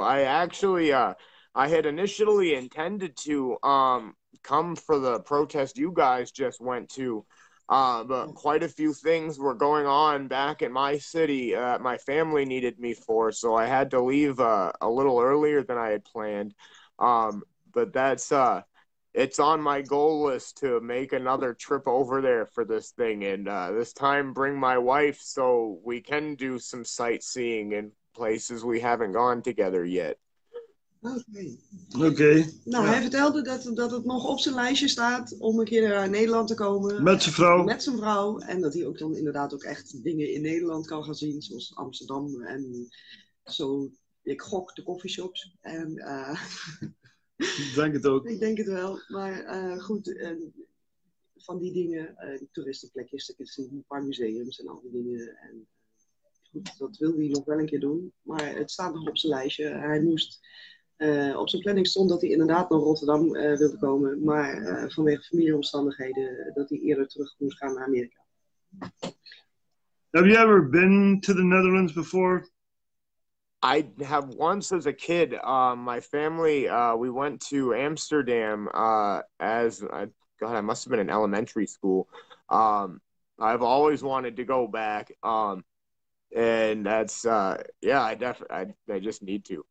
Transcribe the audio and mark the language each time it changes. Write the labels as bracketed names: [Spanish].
[English] I actually, I had initially intended to come for the protest you guys just went to, but quite a few things were going on back in my city that my family needed me for, so I had to leave a little earlier than I had planned. But that's it's on my goal list to make another trip over there for this thing, and this time bring my wife so we can do some sightseeing and places we haven't gone together yet. [Dutch] Oké. Nou, hij vertelde dat het nog op zijn lijstje staat om een keer naar Nederland te komen. Met zijn vrouw. Met zijn vrouw. En dat hij ook dan inderdaad ook echt dingen in Nederland kan gaan zien, zoals Amsterdam en zo, ik gok, de coffeeshops. En, ik denk het ook. Ik denk het wel. Maar goed, van die dingen, toeristenplekjes, ik zie een paar museums en al die dingen en... Dat wilde hij nog wel een keer doen, maar het staat nog op zijn lijstje. Hij moest, op zijn planning stond dat hij inderdaad naar Rotterdam wilde komen, maar vanwege familieomstandigheden dat hij eerder terug moest gaan naar Amerika. [English] Have you ever been to the Netherlands before? I have once as a kid. My family, we went to Amsterdam I must have been in elementary school. I've always wanted to go back. And that's I just need to.